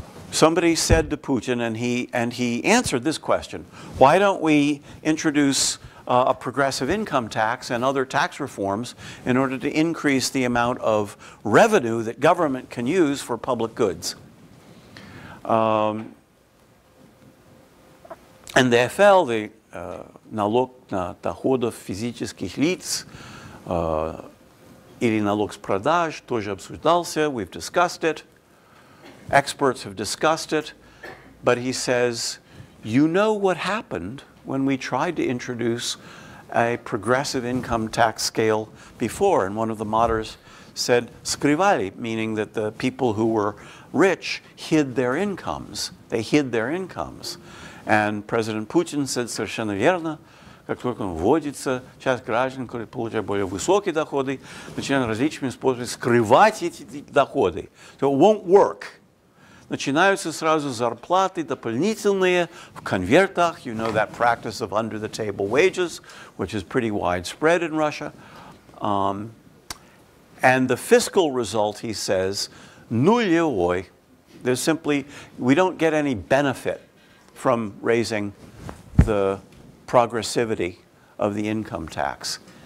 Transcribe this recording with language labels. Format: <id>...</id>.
<en>Somebody said to Putin, and he answered this question: why don't we introduce a progressive income tax and other tax reforms in order to increase the amount of revenue that government can use for public goods? And the FL, the</en> <ru>налог на доходов физических лиц, или налог с продаж, тоже обсуждался.</ru> <en>We've discussed it. Experts have discussed it. But he says, you know what happened when we tried to introduce a progressive income tax scale before. And one of the moderators said, skrivali, meaning that the people who were rich hid their incomes. They hid their incomes. And President Putin said,</en> <ru>совершенно верно, как только он вводится, часть граждан, которые получают более высокие доходы, начинают различными способами скрывать эти доходы.</ru> <en>So it won't work.</en> <ru>Начинаются сразу зарплаты дополнительные в конвертах.</ru> <en>You know that practice of under-the-table wages, which is pretty widespread in Russia. And the fiscal result, he says,</en> <ru>нулевой.</ru> <en>There's simply, we don't get any benefit from raising the progressivity of the income tax.</en>